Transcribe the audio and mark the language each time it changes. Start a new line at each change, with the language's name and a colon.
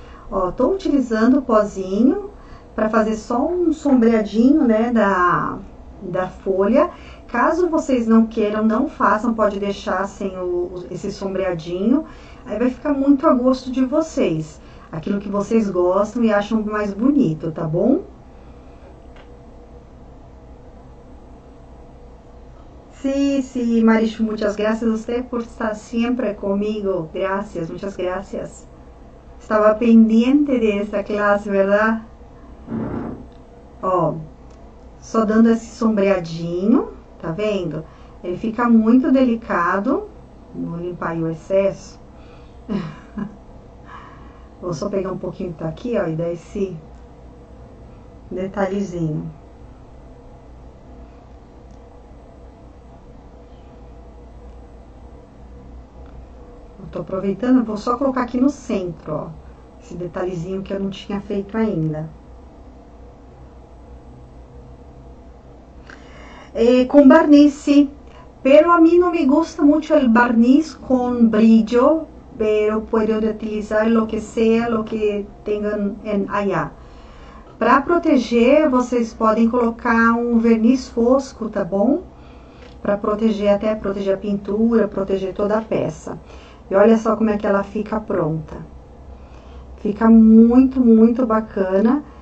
Portuguese: Ó, tô utilizando o pozinho para fazer só um sombreadinho, né, da folha. Caso vocês não queiram, não façam, pode deixar sem esse sombreadinho. Aí vai ficar muito a gosto de vocês, aquilo que vocês gostam e acham mais bonito, tá bom?
Spanish: Sim, Marichu, muchas gracias a usted por estar siempre conmigo. Gracias, muchas gracias. Estaba pendiente de esta clase, ¿verdad?
Portuguese: Ó. Só dando esse sombreadinho, tá vendo? Ele fica muito delicado. Vou limpar aí o excesso. Vou só pegar um pouquinho daqui, ó, e dar esse detalhezinho. Eu tô aproveitando, vou só colocar aqui no centro, ó, esse detalhezinho que eu não tinha feito ainda.
Spanish: Con barniz, sí, pero a mí no me gusta mucho el barniz con brillo, pero puedo utilizar lo que sea, lo que tengan allá.
Portuguese: Para proteger, vocês podem colocar um verniz fosco, tá bom? Para proteger, até proteger a pintura, proteger toda a peça. E olha só como é que ela fica pronta. Fica muito, muito bacana.